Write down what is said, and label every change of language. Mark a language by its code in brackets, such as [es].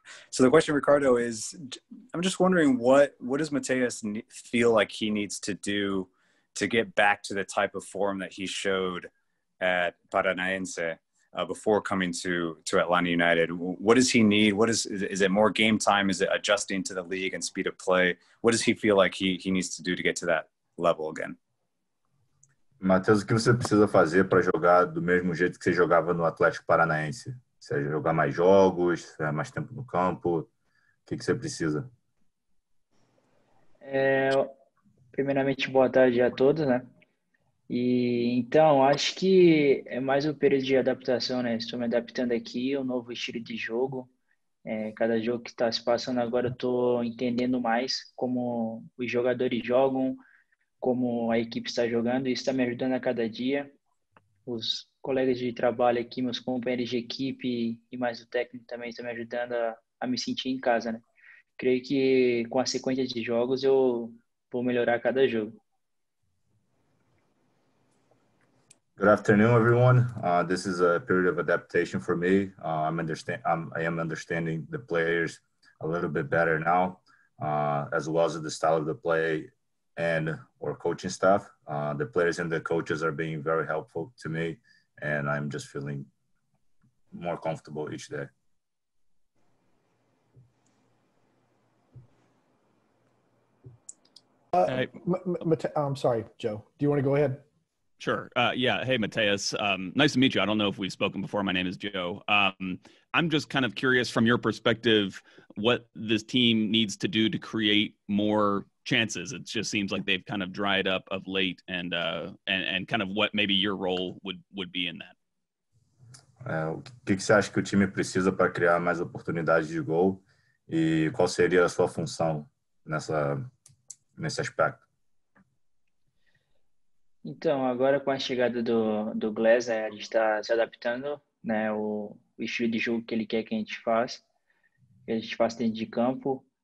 [en] So the question, Ricardo, is I'm just wondering what does Matheus feel like he needs to do to get back to the type of form that he showed at Paranaense before coming to Atlanta United? What does he need? Is it more game time? Is it adjusting to the league and speed of play? What does he feel like he needs to do to get to that level again? [pt] Matheus, o que você precisa fazer para jogar do mesmo jeito que você jogava no Atlético Paranaense? Se é jogar mais jogos, se é mais tempo no campo, o que você precisa? Primeiramente, boa tarde a todos, né? E então, acho que é mais um período de adaptação, né? Estou me adaptando aqui, um novo estilo de jogo. Cada jogo que está se passando agora, eu estou entendendo mais como os jogadores jogam, como a equipe está jogando. Isso está me ajudando a cada dia. Os colegas de trabalho aqui, meus companheiros de equipe e mais o técnico também estão me ajudando a me sentir em casa, né? Creio que com a sequência de jogos eu vou melhorar cada jogo. [en] Good afternoon, everyone. This is a period of adaptation for me. I am understanding the players a little bit better now, as well as the style of the play and or coaching staff. The players and the coaches are being very helpful to me, and I'm just feeling more comfortable each day. I'm sorry, Joe. Do you want to go ahead? Sure. Yeah. Hey, Matheus. Nice to meet you. I don't know if we've spoken before. My name is Joe. I'm just kind of curious from your perspective what this team needs to do to create more chances. It just seems like they've kind of dried up of late and kind of what maybe your role would be in that. [pt] O que você acha que o time precisa para criar mais oportunidades de gol e qual seria a sua função nesse aspecto? Então, agora com a chegada do Glazer, a gente está se adaptando, né, o estilo de jogo que ele quer que a gente faça, que a gente faça dentro de campo.